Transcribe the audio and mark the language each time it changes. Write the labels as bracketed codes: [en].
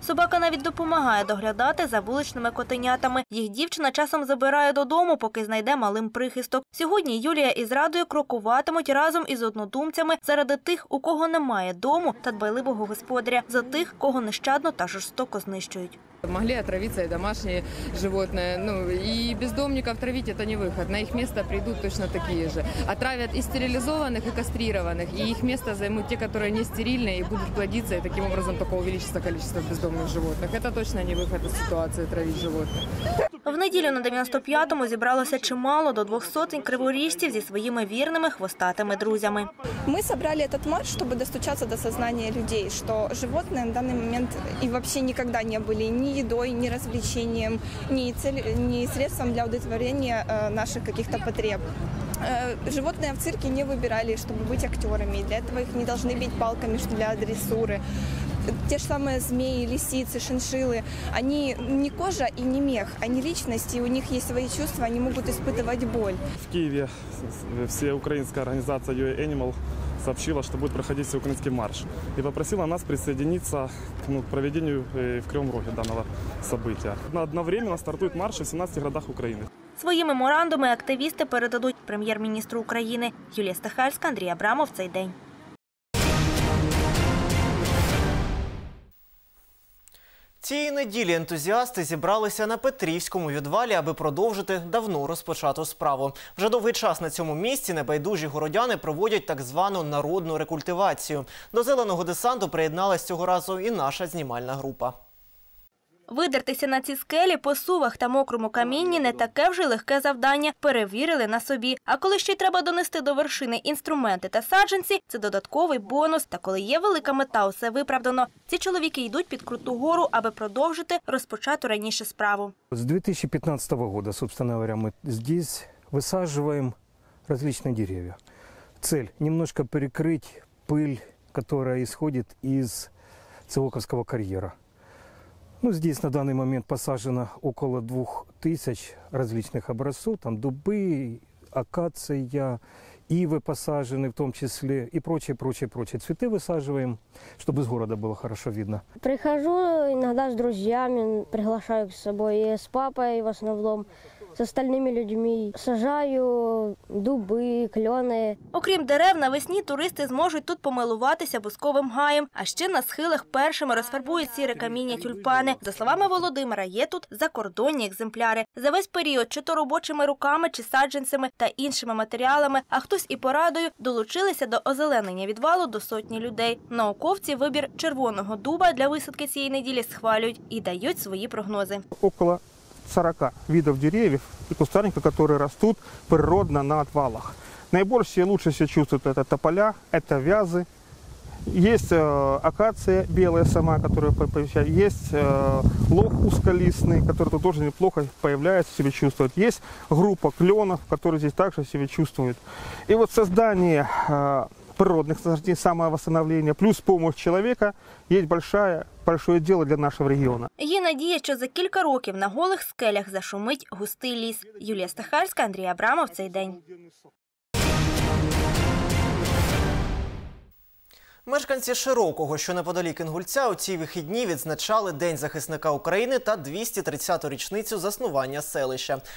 [uk] Собака навіть допомагає доглядати за вуличними котенятами. Їх дівчина часом забирає додому, поки знайде малим прихисток. Сьогодні Юлія із Радою крокуватимуть разом із однодумцями заради тих, у кого немає дому та дбайливого господаря, за тих, кого нещадно та жорстоко знищують. [ru] Могли отравиться и домашние животные. Ну, и бездомников травить – это не выход. На их место придут точно такие же. Отравят и стерилизованных, и кастрированных. И их место займут те, которые не стерильные и будут плодиться. И таким образом только увеличится количество бездомных животных. Это точно не выход из ситуации травить животных. [uk] В неділю на 95-му зібралося чимало до 200 криворіжців зі своїми вірними хвостатими друзями. Ми зібрали цей марш, щоб достучатися до сознання людей, що животні на даний момент і взагалі ніколи не були ні їдою, ні розвлеченням, ні средством для удовлетворення наших якихось потреб. [ru] Животные в цирке не выбирали, чтобы быть актерами. Для этого их не должны бить палками для дрессуры. Те же самые змеи, лисицы, шиншиллы, они не кожа и не мех, они личности, у них есть свои чувства, они могут испытывать боль. В Киеве всеукраинская организация UA Animal сообщила, что будет проходить всеукраинский марш. И попросила нас присоединиться к проведению в Кривом Розі данного события. Одновременно стартует марш в 17 городах Украины. [uk] Свої меморандуми активісти передадуть прем'єр-міністру України. Юлія Стахальська, Андрій Абрамов. Цей день. Цієї неділі ентузіасти зібралися на Петрівському відвалі, аби продовжити давно розпочату справу. Вже довгий час на цьому місці небайдужі городяни проводять так звану народну рекультивацію. До зеленого десанту приєдналась цього разу і наша знімальна група. Видертися на ці скелі по сувах та мокрому камінні – не таке вже легке завдання, перевірили на собі. А коли ще й треба донести до вершини інструменти та саджанці – це додатковий бонус. Та коли є велика мета – усе виправдано. Ці чоловіки йдуть під круту гору, аби продовжити розпочату раніше справу. З 2015 року, ми тут висаджуємо різні дерева. Ціль – немножко перекрити пиль, яка ісходить із Цивоковського кар'єра. [ru] Ну, здесь на данный момент посажено около 2000 различных образцов, там дубы, акация, ивы посажены в том числе и прочие. Цветы высаживаем, чтобы из города было хорошо видно. Прихожу иногда с друзьями, приглашаю с собой, и с папой в основном. [uk] З остальними людьми сажаю дуби, кльони. Окрім дерев, навесні туристи зможуть тут помилуватися бузковим гаєм. А ще на схилах першими розфарбують сіре каміння тюльпани. За словами Володимира, є тут закордонні екземпляри. За весь період, чи то робочими руками, чи саджанцями та іншими матеріалами, а хтось і порадою, долучилися до озеленення відвалу до сотні людей. Науковці вибір червоного дуба для висадки цієї неділі схвалюють і дають свої прогнози. [ru] Около 40 видов деревьев и кустарника, которые растут природно на отвалах. Наибольшие лучше себя чувствуют это тополя, это вязы. Есть акация белая сама, которая появляется. Есть лох узколистный, который тут тоже неплохо появляется, себя чувствует. Есть группа кленов, которые здесь также себя чувствуют. И вот создание природных насаждений, самовосстановление, плюс помощь человека, есть большое дело для нашего региона. [uk] Є надія, що за кілька років на голих скелях зашумить густий ліс. Юлія Стахарська, Андрій Абрамов, «Цей день». Мешканці Широкого, що неподалік Інгульця, у ці вихідні відзначали День захисника України та 230-ту річницю заснування селища.